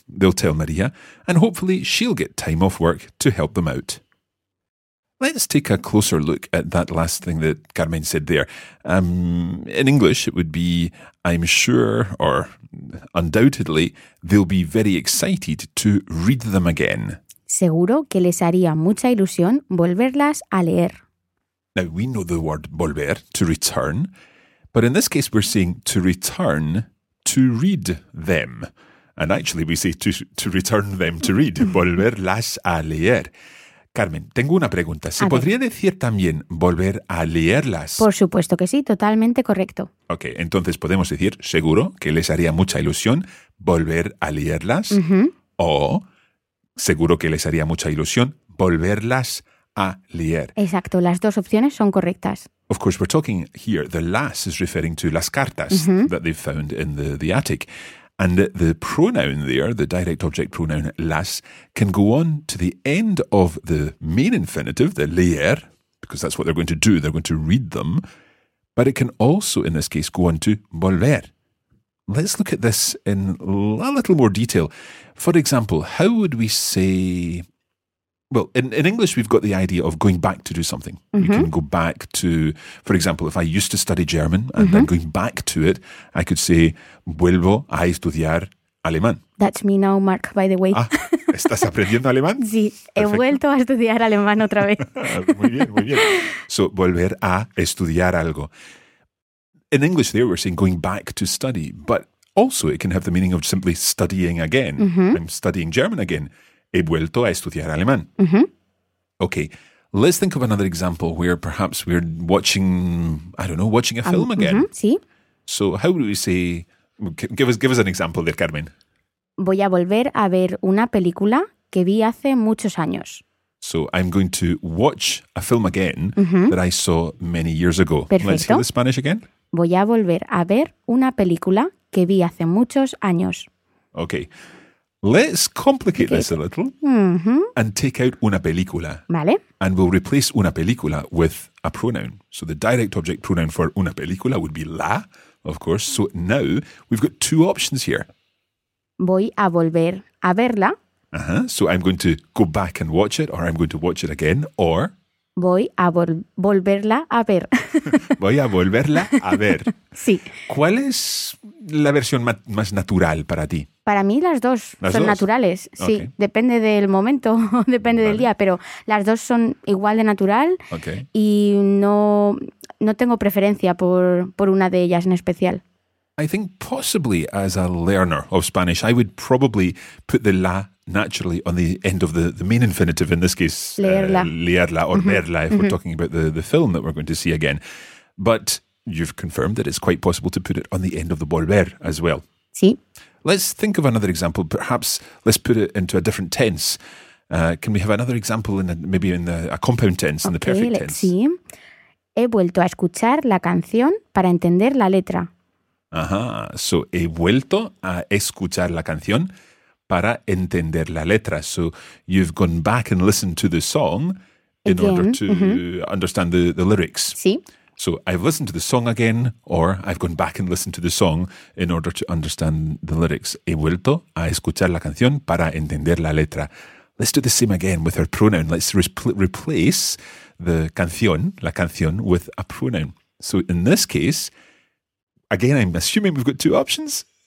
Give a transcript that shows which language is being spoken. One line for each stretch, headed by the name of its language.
English: They'll tell Maria and hopefully she'll get time off work to help them out. Let's take a closer look at that last thing that Carmen said there. In English, it would be, I'm sure, or undoubtedly, they'll be very excited to read them again.
Spanish: Seguro que les haría mucha ilusión volverlas a leer.
English: Now, we know the word volver, to return, but in this case, we're saying to return to read them. And actually, we say to return them to read,
Spanish: volverlas a leer. Carmen, tengo una pregunta. ¿Se podría decir también volver a leerlas? Por supuesto que sí, totalmente correcto. Ok, entonces podemos decir, seguro, que les haría mucha ilusión volver a leerlas. Uh-huh. O, seguro que les haría mucha ilusión volverlas a leer. Exacto, las dos opciones son correctas.
English: Of course, we're talking here, the las is referring to
Spanish: las cartas uh-huh.
English: that they've found in the attic. And the pronoun there, the direct object pronoun las, can go on to the end of the main infinitive, the leer, because that's what they're going to do. They're going to read them. But it can also, in this case, go on to volver. Let's look at this in a little more detail. For example, how would we say... Well, in English, we've got the idea of going back to do something. Mm-hmm. You can go back to, for example, if I used to study German and mm-hmm. then going back to it, I could say,
Spanish: vuelvo a estudiar alemán.
English: That's me now, Mark, by the way.
Spanish: Ah, ¿estás aprendiendo alemán? Sí, he Perfecto. Vuelto a estudiar alemán otra vez. Muy bien. So, volver a estudiar algo.
English: In English, there we're saying going back to study, but also it can have the meaning of simply studying again. Mm-hmm. I'm studying German again.
Spanish: He vuelto a estudiar alemán. Mm-hmm.
English: Okay, let's think of another example where perhaps we're watching, I don't know, watching a film again.
Spanish: Mm-hmm. Sí.
English: So how would we say, give us an example there, Carmen.
Spanish: Voy a volver a ver una película que vi hace muchos años.
English: So I'm going to watch a film again that I saw many years ago.
Spanish: Perfecto.
English: Let's hear the Spanish again.
Spanish: Voy a volver a ver una película que vi hace muchos años.
English: Okay. Let's complicate this a little and take out
Spanish: una película. Vale.
English: And we'll replace
Spanish: una película
English: with a pronoun. So the direct object pronoun for una película would be la, of course. So now we've got two options here.
Spanish: Voy a volver a verla. Uh-huh.
English: So I'm going to go back and watch it, or I'm going to watch it again, or...
Spanish: Voy a volverla a ver. Voy a volverla a ver. Sí. ¿Cuál es la versión más natural para ti? Para mí las dos naturales. Sí, okay. Depende del momento, depende del día, pero las dos son igual de natural y no tengo preferencia por una de ellas en especial.
English: I think possibly as a learner of Spanish, I would probably put the la naturally on the end of the main infinitive, in this case,
Spanish: leerla
English: or verla, if we're talking about the film that we're going to see again. But you've confirmed that it's quite possible to put it on the end of the volver as well.
Spanish: Sí.
English: Let's think of another example. Perhaps let's put it into a different tense. Can we have another example in a compound tense, in the perfect tense?
Spanish: Sí. He vuelto a escuchar la canción para entender la letra. Ajá, so he vuelto a escuchar la canción para entender la letra.
English: So you've gone back and listened to the song in again. Order to understand the lyrics.
Spanish: Sí.
English: So I've listened to the song again, or I've gone back and listened to the song in order to understand the lyrics.
Spanish: He vuelto a escuchar la canción para entender la letra.
English: Let's do the same again with our pronoun. Let's replace
Spanish: la canción,
English: with a pronoun. So in this case... Again, I'm assuming we've got two options.